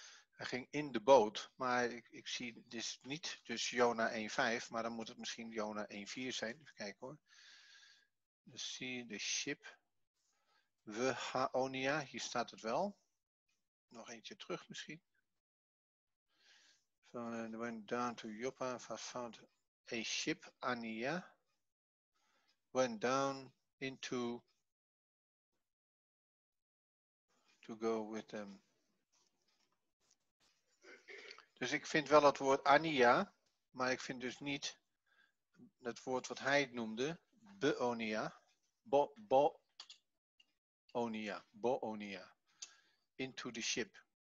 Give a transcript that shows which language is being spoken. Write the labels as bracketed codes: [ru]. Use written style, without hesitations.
[nl] Hij ging in de boot, maar ik zie dus niet dus Jonah 1:5, maar dan moet het misschien Jonah 1:4 zijn. Even kijken hoor. Dus zie je de ship. We ha onia, hier staat het wel. Nog eentje terug misschien. [en] So, went down to Joppa, found a ship, Ania. Went down into to go with them. [nl] Dus ik vind wel het woord Ania, maar ik vind dus niet het woord wat hij noemde, Beonia, Bo-onia, Bo-onia, [en] into the ship.